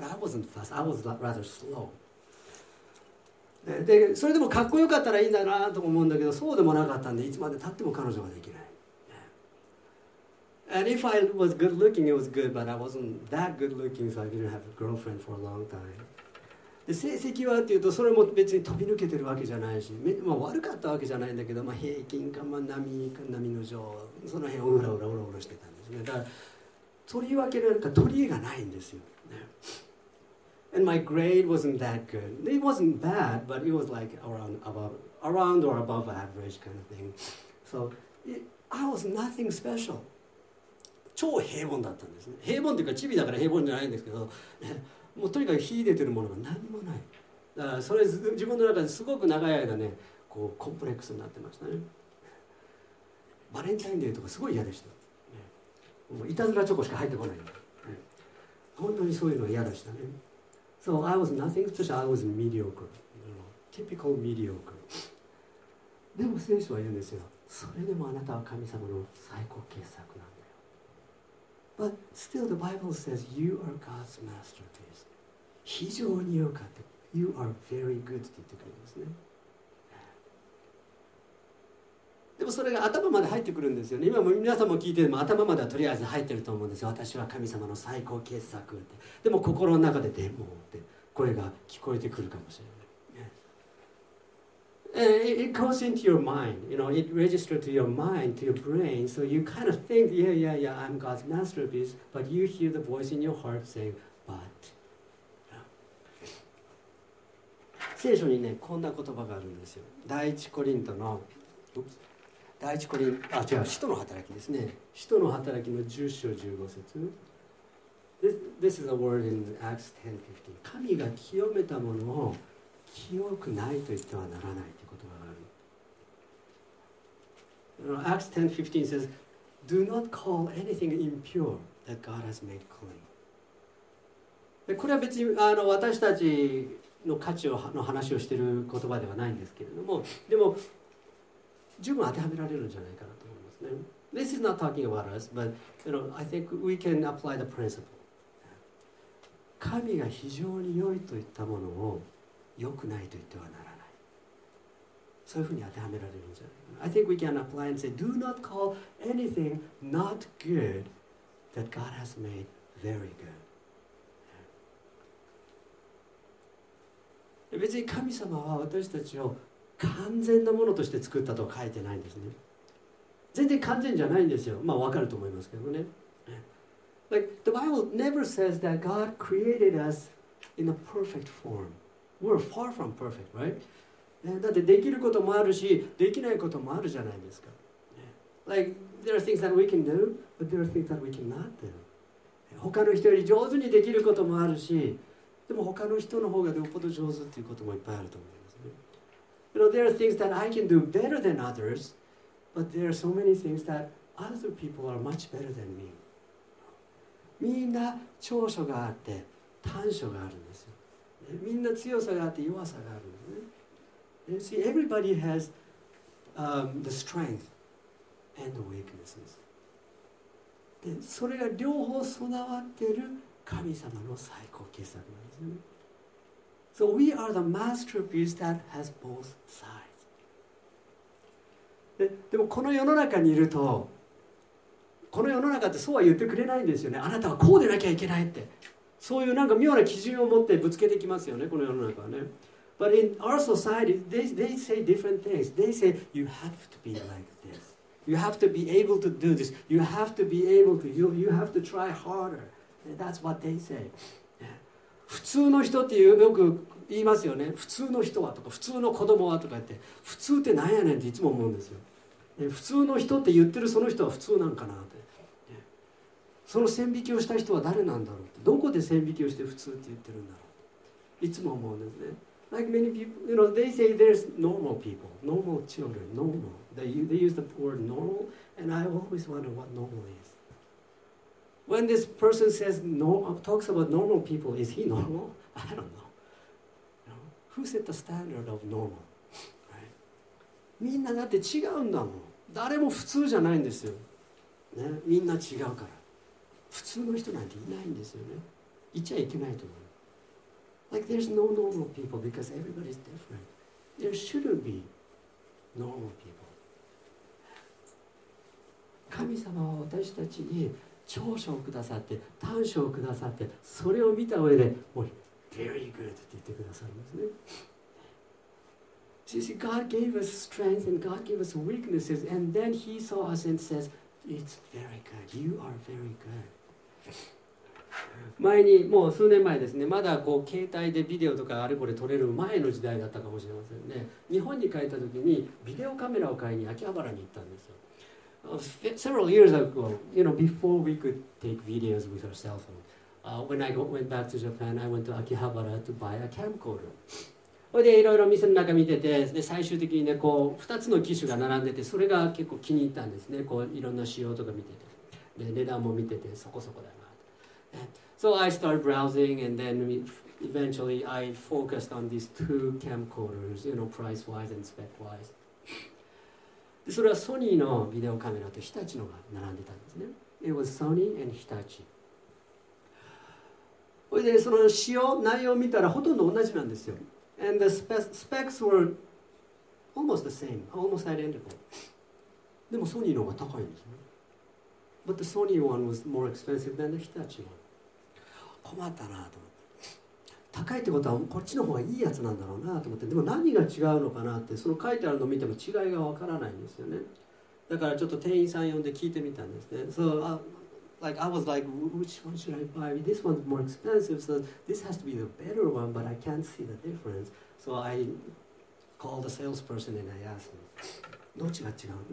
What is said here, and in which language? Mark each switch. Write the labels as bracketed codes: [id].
[en] But I wasn't fast. I was rather slow. [ja] で、それでもかっこよかったらいいんだなと思うんだけど、そうでもなかったんで、いつまで経っても彼女ができない。 [en] And if I was good looking, it was good, but I wasn't that good looking, so I didn't have a girlfriend for a long time. [ja] で、成績はっていうと、それも別に飛び抜けてるわけじゃないし、まあ、悪かったわけじゃないんだけど、まあ、平均か、まあ、波の上、その辺をうらうらうらうらしてたんですね。だから、とりわけなんか取り柄がないんですよ。 [en] And my grade wasn't that good. It wasn't bad, but it was like around or above average kind of thing. So, I was nothing special. [ja] 超平凡だったんですね。平凡っていうか、チビだから平凡じゃないんですけど、もうとにかく秀でてるものが何もない。だからそれ自分の中ですごく長い間ね、こうコンプレックスになってましたね。バレンタインデーとかすごい嫌でした。もういたずらチョコしか入ってこない。本当にそういうの嫌でしたね。 [en] So I was nothing special. I was mediocre. You know, typical mediocre. [ja] でも聖書は言うんですよ。それでもあなたは神様の最高傑作なんだよ。 [en] But still the Bible says you are God's masterpiece. [ja] 非常に良かった。 [en] You are very good [ja] って言ってくるんですね。でもそれが頭まで入ってくるんですよね。今も皆さんも聞いて、も頭まではとりあえず入ってると思うんですよ。私は神様の最高傑作って。でも心の中でデモって声が聞こえてくるかもしれない。 [en] It goes into your mind. You know, it registers to your mind, to your brain. So you kind of think, yeah, yeah, yeah, I'm God's masterpiece. But you hear the voice in your heart saying, but... [ja] 聖書にね、こんな言葉があるんですよ。第一コリントの、第一コリント、あ、違う、使徒の働きですね。使徒の働きの10章15節。 [en] This is a word in Acts 10:15. [ja] 神が清めたものを清くないと言ってはならないという言葉がある。 [en] Acts 10:15 says, Do not call anything impure that God has made clean. [ja] でこれは別に私たちの価値をの話をしている言葉ではないんですけれども、でも十分当てはめられるんじゃないかなと思いますね。 [en] This is not talking about us, but you know, I think we can apply the principle. [ja] 神が非常に良いと言ったものを良くないと言ってはならない。そういうふうに当てはめられるんじゃないかな。 [en] I think we can apply and say, do not call anything not good that God has made very good. [ja] 別に神様は私たちを完全なものとして作ったとは書いてないんですね。全然完全じゃないんですよ。まあ分かると思いますけどね。 [en] Like, the Bible never says that God created us in a perfect form. We're far from perfect, right? [ja] だってできることもあるし、できないこともあるじゃないですか。 [en] Like, there are things that we can do, but there are things that we cannot do. [ja] 他の人より上手にできることもあるし、でも他の人の方がよっぽど上手っていうこともいっぱいあると思いますね。 [en] You know, there are things that I can do better than others, but there are so many things that other people are much better than me. [ja] みんな長所があって短所があるんですよ。みんな強さがあって弱さがあるんですね。 [en] You see, everybody has, the strength and the weaknesses. [ja] で、それが両方備わってる神様の最高傑作なんですね。 [en] So we are the masterpiece that has both sides. [ja] でもこの世の中にいると、この世の中ってそうは言ってくれないんですよね。あなたはこうでなきゃいけないって。そういうなんか妙な基準を持ってぶつけてきますよね、この世の中はね。 [en] But in our society, they say different things. They say, you have to be like this. You have to be able to do this. You have to be able to, you have to try harder. That's what they say. [ja] 普通の人ってよく言いますよね。普通の人はとか、普通の子供はとか言って、普通って何やねんっていつも思うんですよ。普通の人って言ってるその人は普通なんかなって。その線引きをした人は誰なんだろうって。どこで線引きをして普通って言ってるんだろうって。いつも思うんですね。 [en] Like many people, you know, they say there's normal people, normal children, normal. They use the word normal, and I always wonder what normal is. When this person says normal, talks about normal people, is he normal? I don't know. You know? Who set the standard of normal? [ja] みんなだって違うんだもん。誰も普通じゃないんですよ、ね、みんな違うから。普通の人なんていないんですよね。いちゃいけないと思う。 [en] Like there's no normal people because everybody's different. There shouldn't be normal people. [ja] 神様は私たちに長所をくださって、短所をくださって、それを見た上でもう [en] Very good [ja] って言ってくださるんですね。 [en] See, God gave us strength and God gave us weaknesses and then He saw us and says, It's very good. You are very good. [ja] 前に、もう数年前ですね、まだこう携帯でビデオとかあれこれ撮れる前の時代だったかもしれませんね。日本に帰った時にビデオカメラを買いに秋葉原に行ったんですよ。 [en] Several years ago, you know, before we could take videos with our cell phone, when I went back to Japan, I went to Akihabara to buy a camcorder. [ja] でいろいろ店の中見てて、で最終的に、ね、こう2つの機種が並んでて、それが結構気に入ったんですね。こういろんな仕様とか見てて、で値段も見ててそこそこだなと。 [en] So I started browsing and then eventually I focused on these two camcorders, you know, price wise and spec wise. [ja] でそれはソニーのビデオカメラと日立のが並んでたんですね。 [en] It was Sony and Hitachi. [ja] それでその仕様、内容を見たらほとんど同じなんですよ。 [en] And the specs were almost the same, almost identical. [ja] でもソニーの方が高いんですね。 [en] But the Sony one was more expensive than the Hitachi one. [ja] 困ったなと思って。高いってことはこっちの方がいいやつなんだろうなと思って。でも何が違うのかなって、その書いてあるのを見ても違いがわからないんですよね。だからちょっと店員さん呼んで聞いてみたんですね。 [en] So, like I was like, which one should I buy? This one's more expensive, so this has to be the better one, but I can't see the difference. So I called the salesperson and I asked him, [ja] どっちが違う？